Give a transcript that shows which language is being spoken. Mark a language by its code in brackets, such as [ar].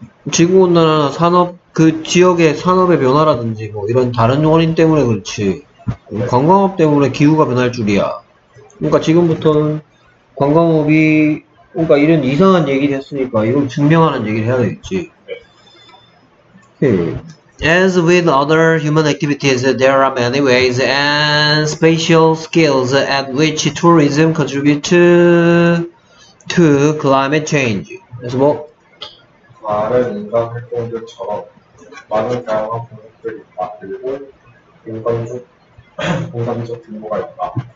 [ko] 지구온난화나 산업 그 지역의 산업의 변화라든지 뭐 이런 다른 원인 때문에 그렇지. 관광업 때문에 기후가 변할 줄이야. 그러니까 지금부터는 관광업이 그러니까 이런 이상한 얘기를 했으니까 이걸 증명하는 얘기를 해야 되겠지. [en] As with other human activities, there are many ways and spatial scales at which tourism contribute to climate change. [ko] 그래서 뭐? 많은 인간 활동들처럼 많은 다양한 분야들이 있다. 그리고 공간적 분모가 있다.